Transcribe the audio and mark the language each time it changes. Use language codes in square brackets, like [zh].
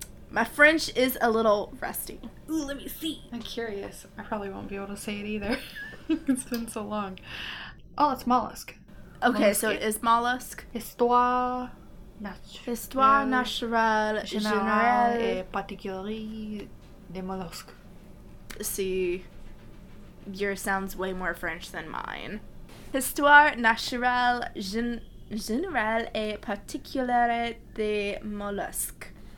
[en] My French is a little rusty. Ooh, let me see. I'm curious. I probably won't be able to say it either. It's been so long. Oh, it's mollusk. Okay, so it is mollusk. [fr] Histoire naturelle générale et particulière des mollusques. [en] See, yours sounds way more French than mine. [fr] Histoire naturelle générale et particulière des mollusques.